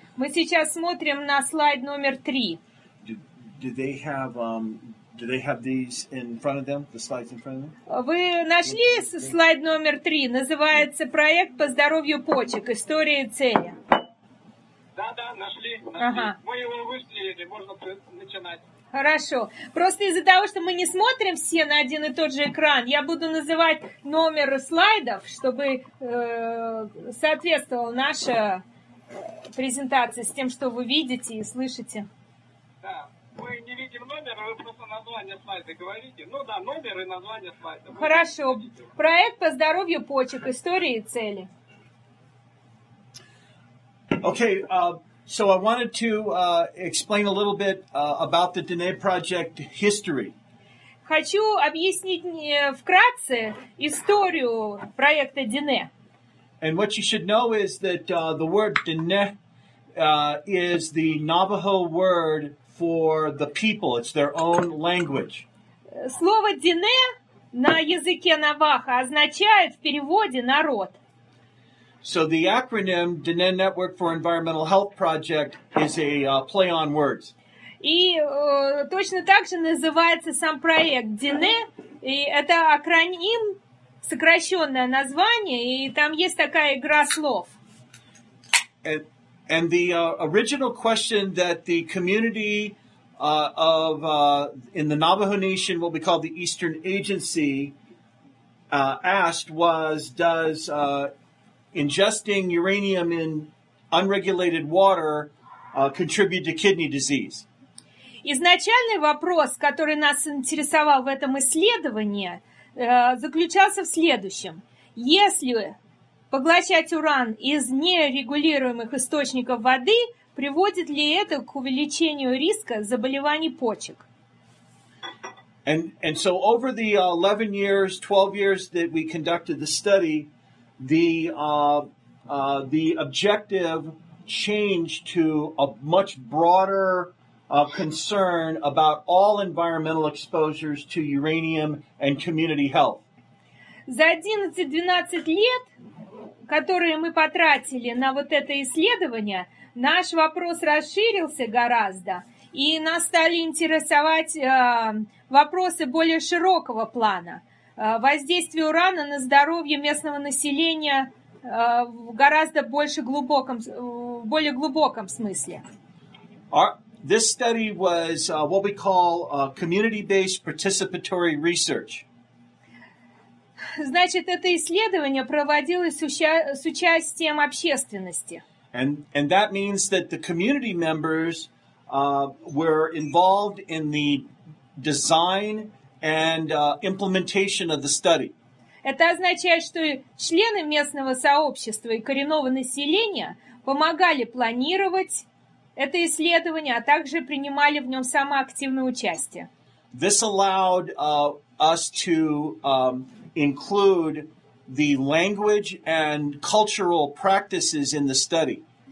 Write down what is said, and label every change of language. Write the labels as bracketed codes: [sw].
[ru] Мы сейчас смотрим на слайд номер три. [en] Do they have these in front of them, the slides in front of them? [ru] Вы нашли слайд номер три? Называется «Проект по здоровью почек. История и цели». Да, нашли. Ага. Мы его выстрелили, можно начинать. Хорошо. Просто из-за того, что мы не смотрим все на один и тот же экран, я буду называть номер слайдов, чтобы соответствовала наша презентация с тем, что вы видите и слышите. Да. Мы не видим номер, вы просто название слайда говорите. Ну да, номер и название слайда. Хорошо. Проект по здоровью почек. История и цели. [en] Okay, so I wanted to explain a little bit about the Danette Project history. [ru] Хочу объяснить вкратце историю проекта Danette. [en] And what you should know is that the word Danette is the Navajo word for the people, it's their own language. [ru] Слово Дине на языке Навахо означает в переводе народ. [en] So the acronym Dine Network for Environmental Health Project is a play on words. [ru] И точно так же называется сам проект Дине, и это акроним, сокращенное название, и там есть такая игра слов. [en] And the original question that the community of in the Navajo Nation, what we call the Eastern Agency, asked was, does ingesting uranium in unregulated water contribute to kidney disease? [ru] Изначальный вопрос, который нас интересовал в этом исследовании, заключался в следующем. Если поглощать уран из нерегулируемых источников воды, приводит ли это к увеличению риска заболеваний почек? [en] And so over the 11 years, 12 years that we conducted the study, the objective changed to a much broader concern about all environmental exposures to uranium and community health. [ru] За 11-12 лет, которые мы потратили на вот это исследование, наш вопрос расширился гораздо, и нас стали интересовать вопросы более широкого плана. Воздействие урана на здоровье местного населения в гораздо больше глубоком, в более глубоком смысле. [en] This study was what we call community-based participatory research. [ru] Значит, это исследование проводилось с участием общественности. [en] And that means that the community members were involved in the design and implementation of the study. [ru] Это означает, что члены местного сообщества и коренного населения помогали планировать это исследование, а также принимали в нем самое активное участие. [en] This allowed us to include the language and cultural practices in the study.